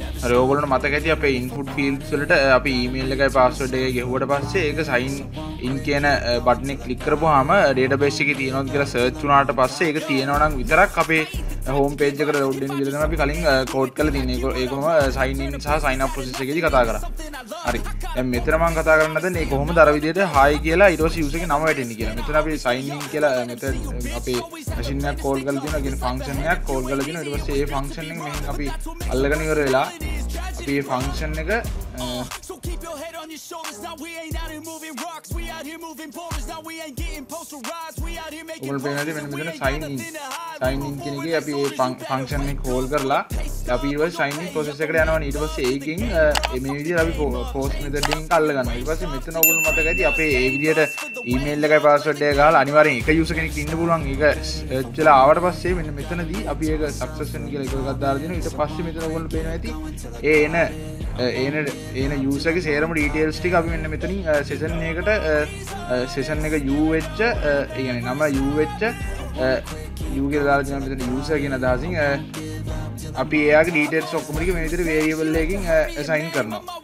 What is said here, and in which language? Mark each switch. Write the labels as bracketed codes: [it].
[si] හරි ඕගොල්ලෝ මතක ඇති අපේ input fields වලට අපි email එකයි password එකයි ගෙවුවට පස්සේ ඒක sign in කියන button එක click කරපුවාම database එකේ තියෙනවා කියලා search වුණාට පස්සේ ඒක තියෙනවා නම් විතරක් අපේ home page එකට load වෙන විදිහ තමයි අපි කලින් code කරලා තියෙන්නේ. ඒකම sign in සහ sign up process එකේදී කතා කරා. හරි දැන් මෙතන මම කතා කරන්න හදන්නේ මේ කොහොමද අර විදිහට hi කියලා ඊට පස්සේ user ගේ නම වැටෙන්නේ කියලා. මෙතන අපි sign in කියලා method අපේ machine එකට call කරලා දෙනවා කියන function එකක් call කරලා දෙනවා. ඊට පස්සේ ඒ function එකෙන් මෙහෙන් අපි අල්ලගෙන ඉවර වෙලා අපි මේ function එක [en] So keep your head on your shoulders now we ain't out here moving rocks we out here moving boulders now we ain't getting postal rides we out here making [si] ඔයගොල්ලෝ බලන්න මෙන්න මෙතන sign in කියන එකේ අපි මේ function එක call කරලා අපි ඊවල sign in process එකට යනවා. ඊට පස්සේ ඒකෙන් මේ විදිහට අපි post method එකෙන් අල්ල ගන්නවා. ඊට පස්සේ මෙතන ඔයගොල්ලෝ මතක ඇති අපේ ඒ විදිහට email එකයි password එකයි ගහලා අනිවාර්යෙන් එක user කෙනෙක් ඉන්න පුළුවන් ඒක search වෙලා ආවට පස්සේ මෙන්න මෙතනදී අපි ඒක success වෙන කියලා එකක් දාලා දෙනවා. ඊට පස්සේ මෙතන ඔයගොල්ලෝ පේනවා ඇති ඒ එන එන යූසර්ගේ සේරම ඩීටේල්ස් ටික අපි මෙන්න මෙතනින් session එකට session එක U වෙච්ච يعني නම U වෙච්ච U කියලා දාලා තියෙනවා මෙතන user කියන අදහසින් අපි එයාගේ ඩීටේල්ස් ඔක්කොම ටික මේ විදිහට variable එකකින් assign කරනවා.